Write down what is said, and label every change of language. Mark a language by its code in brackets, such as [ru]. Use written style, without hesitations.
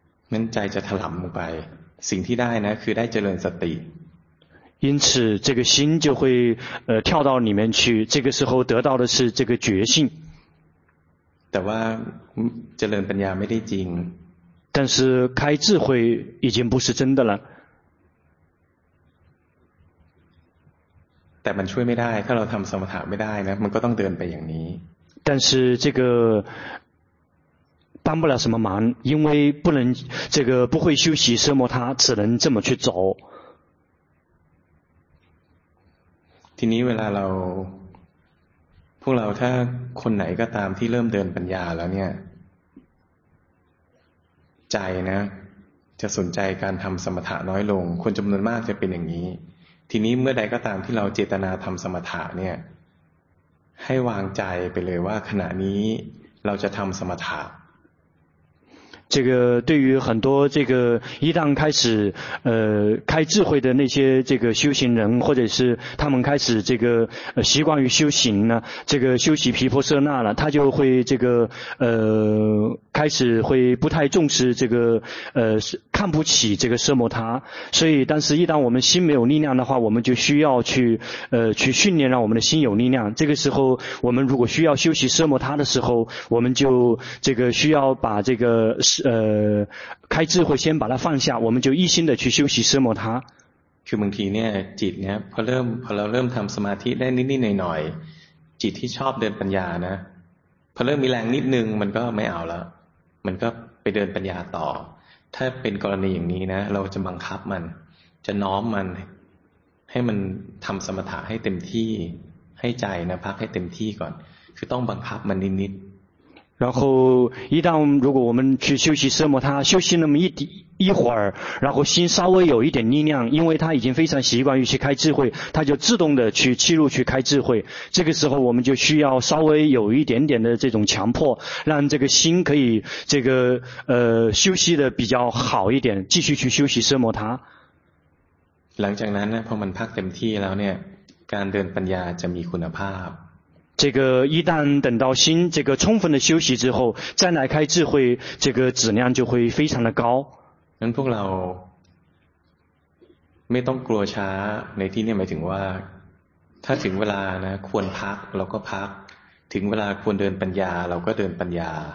[th] นั่นใจจะถลำลงไปสิ่งที่ได้นะคือได้เจริญสติ [zh] 因此这个心就会跳到里面去，这个时候得到的是这个觉性。 [th] แต่ว่าเจริญปัญญาไม่ได้จริง [zh] 但是开智慧已经不是真的了。 [th] แต่มันช่วยไม่ได้ถ้าเราทำสมถะไม่ได้นะมันก็ต้องเดินไปอย่างนี้ [zh] 但是这个帮不了什么忙因为不能这个不会修习奢摩他只能这么去走 [th] ทีนี้เวลาเราพวกเราถ้าคนไหนก็ตามที่เริ่มเดินปัญญาแล้วเนี่ยใจนะจะสนใจการทำสมถะน้อยลงคนจำนวนมากจะเป็นอย่างนี้ทีนี้เมื่อใดก็ตามที่เราเจตนาทำสมถะเนี่ยให้วางใจไปเลยว่าขณะนี้เราจะทำสมถะ [zh] 这个对于很多这个一旦开始开智慧的那些这个修行人或者是他们开始这个习惯于修行呢这个修习毗婆舍那了他就会这个开始会不太重视这个看不起这个奢摩他所以但是一旦我们心没有力量的话我们就需要去训练让我们的心有力量这个时候我们如果需要修习奢摩他的时候我们就这个需要把这个开智慧先把它放下我们就一心的去休息奢摩他 [th] คือบางทีเนี่ยจิตเนี่ยพอเราเริ่มทำสมาธิได้นิดๆหน่อยๆจิตที่ชอบเดินปัญญานะพอเริ่มมีแรงนิดนึงมันก็ไม่เอาละมันก็ไปเดินปัญญาต่อถ้าเป็นกรณีอย่างนี้นะเราจะบังคับมันจะน้อมมันให้มันทำสมถะให้เต็มที่ให้ใจนะพักให้เต็มที่ก่อนคือต้องบังคับมันนิดๆ [zh] 然后一旦如果我们去休息奢摩他休息那么一会儿然后心稍微有一点力量因为他已经非常习惯于去开智慧他就自动的去切入去开智慧这个时候我们就需要稍微有一点点的这种强迫让这个心可以这个休息的比较好一点继续去休息奢摩他 [th] หลังจากนั้นพอมันพักเต็มที่แล้วเนี่ยการเดินปัญญาจะมีคุณภาพ [zh] 这个一旦等到心这个充分的休息之后再来开智慧这个质量就会非常的高 [th] 那พวกเราไม่ต้องกลัวช้าในที่นี้หมายถึงว่าถ้าถึงเวลานะควรพักเราก็พักถึงเวลาควรเดินปัญญาเราก็เดินปัญญา